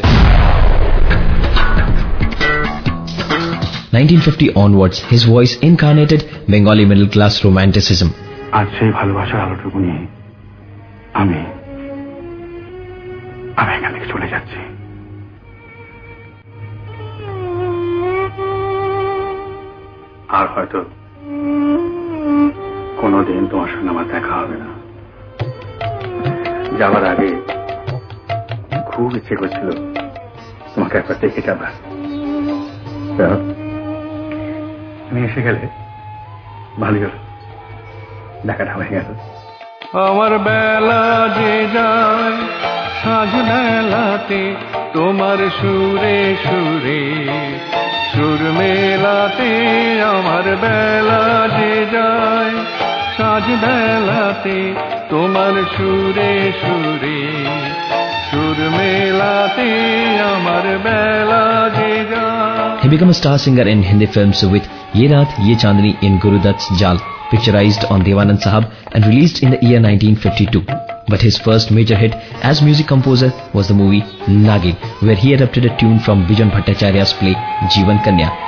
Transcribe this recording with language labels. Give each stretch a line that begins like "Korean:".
English: 1950 onwards, his voice incarnated Bengali middle class romanticism.
Bangla: আজ সেই ভালোবাসার আলোটুকু নিয়ে আমি এখান থেকে চলে যাচ্ছি। আর হয়তো কোনোদিন তোমার সঙ্গে আমার দেখা হবে না। যাওয়ার আগে খুব ইচ্ছে করছিল তোমাকে একবার দেখে যাবার। তুমি এসে গেলে ভালো দেখাটা হয়ে গেল। আমার বেলা যে যায় সাজ মেলাতে, তোমার সুরে সুরে সুর মেলাতে। আমার বেলা যে যায় সাজ মেলাতে, তোমার সুরে সুরে
English: He became a star singer in Hindi films with Ye Raat Ye Chandni in Gurudatt's Jal, picturized on Devanand Sahab and released in the year 1952. But his first major hit as music composer was the movie Nagin, where he adapted a tune from Bijan Bhattacharya's play Jeevan Kanya.